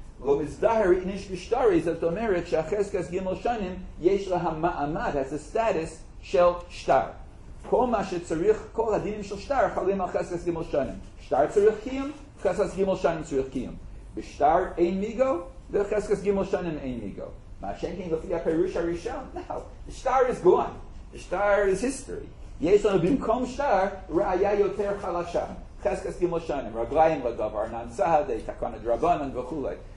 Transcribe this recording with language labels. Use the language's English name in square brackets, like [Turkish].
[Hebrew] לא מזדהר איניש בשטרי, זאת אומרת שהחסקס גימל שנים יש לה המעמד, [English] as a status [Hebrew] של שטר. כל מה שצריך, כל הדינים של שטר חלים על חסקס גימל שנים. שטר צריך קיום, חסקס גימל שנים צריך קיום. בשטר אין מיגו, וחסקס גימל שנים אין מיגו. מה שאין כן לפי הפירוש הראשון? [English] No, שטר is gone. שטר is history. [Hebrew] יש לנו במקום שטר ראיה יותר חלשה. חסקס גימל שנים, רגליים לדבר, ננצהדי, תקנת דרבנן וכולי.